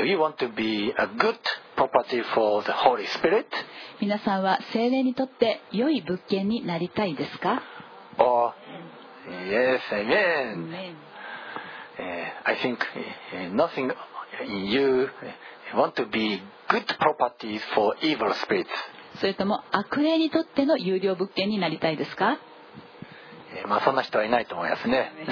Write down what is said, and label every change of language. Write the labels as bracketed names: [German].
[English] Do you want to be a good property for the Holy Spirit? [Japanese] 皆さんは聖霊にとって良い物件になりたいですか？ [English] Yes, amen. I think nothing in you want to be good properties for evil spirits. [Japanese] それとも悪霊にとっての有料物件になりたいですか？まあそんな人はいないと思いますね。